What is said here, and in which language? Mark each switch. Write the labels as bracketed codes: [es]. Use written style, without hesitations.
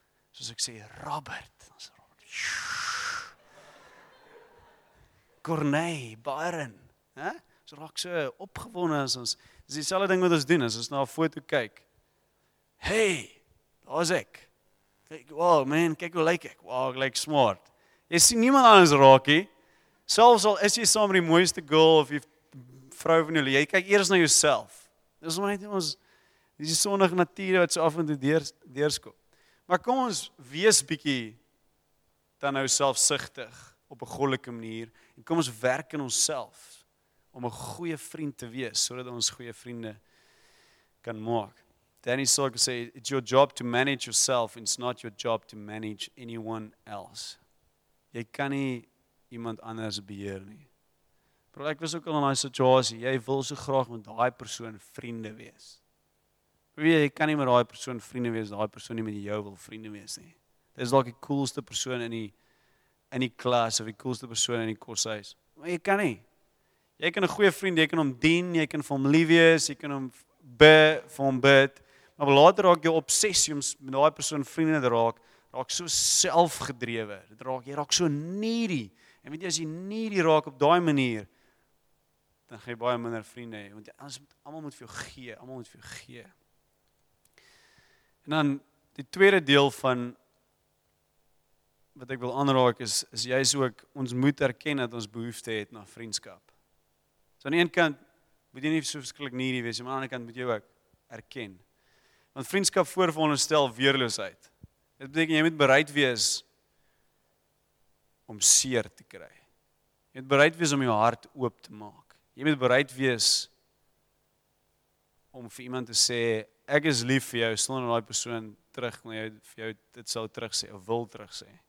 [af] Soos ek sê, Robert, dan sê Robert, Corneille, Byron, so raak so opgewonde, as ons, dis die selfe ding wat ons doen, as ons na een foto kyk, hey, daar is ek, kyk, wow man, kyk hoe lyk ek, wow, ek lyk smart, jy sien niemand anders raakie, selfs al is jy saam die mooiste girl, of die vrou van jou, jy kyk eers na jouself, dis maar net ons, dis die sondige natuur wat so af en toe deurskop. Maar kom ons wees bietjie dan nou selfsugtig op 'n goddelike manier en kom ons werk in onsself om 'n goeie vriend te wees sodat ons goeie vriende kan maak. [en] Danny Silk sê, it's your job to manage yourself, it's not your job to manage anyone else. [af] Jy kan nie iemand anders beheer nie. Maar ek was ook al in daai situasie, jy wil so graag met daai persoon vriende wees. Jy kan nie met daai persoon vriende wees, daai persoon nie met jou wil vriende wees nie. Dit is dalk die coolste persoon in die klas, of die coolste persoon in die koshuis. Maar jy kan nie. Jy kan 'n goeie vriend, jy kan hom dien, jy kan vir hom lief wees, jy kan hom vir hom bid. Maar later raak jou obsessie om met daai persoon vriende te raak so selfgedrewe. Dit raak, jy raak so needy. En weet jy, as jy needy raak op daai manier, dan gaan jy baie minder vriende hê. Want almal moet vir jou gee, almal moet vir jou gee. En dan die tweede deel van wat ek wil aanraak is juist ook, ons moet erken dat ons behoefte het na vriendskap. So aan die ene kant moet jy nie so verskillik nie hierdie wees, maar aan die andere kant moet jy ook erken. Want vriendskap vooronderstel weerloosheid. Dit beteken jy moet bereid wees om seer te kry. Jy moet bereid wees om jou hart oop te maak. Jy moet bereid wees om vir iemand te sê, ek is lief vir jou, sonder daai persoon terug, na jou, vir jou dit sal terug sê, of wil terug sê.